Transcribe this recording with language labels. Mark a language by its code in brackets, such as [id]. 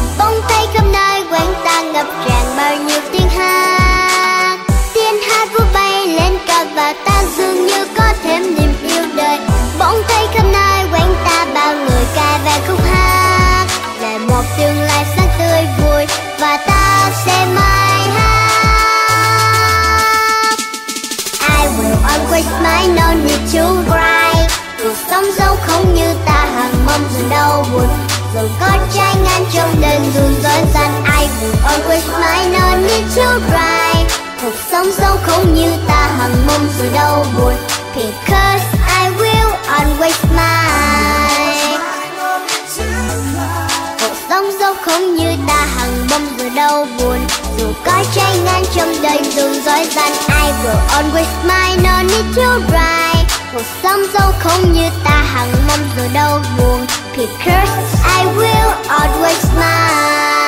[vi] Bỗng thấy hôm nay quanh ta ngập tràn bao nhiêu tiếng hát, tiếng hát vút bay lên cao và ta dường như có thêm niềm yêu đời. Bỗng thấy hôm nay quanh ta bao người ca và khúc hát, là một tương lai sáng tươi vui và ta sẽ mãi hát. [en] I will always smile, no need to cry. [vi] Cuộc sống dẫu không như ta hằng mong dù đau buồn, dù có trái ngang trong đời dù dối gian. [en] I will always smile, no need to cry. [vi] Cuộc sống dẫu không như ta hằng mong dù đau buồn, [en] because I will always smile. [vi] Cuộc sống dẫu không như ta hằng mong dù đau buồn, dù có trái ngang trong đời dù dối gian. [en] I will always smile, no need to cry. [vi] Cuộc sống dẫu không như ta hằng mong dù đau buồn, [en] because I will always smile.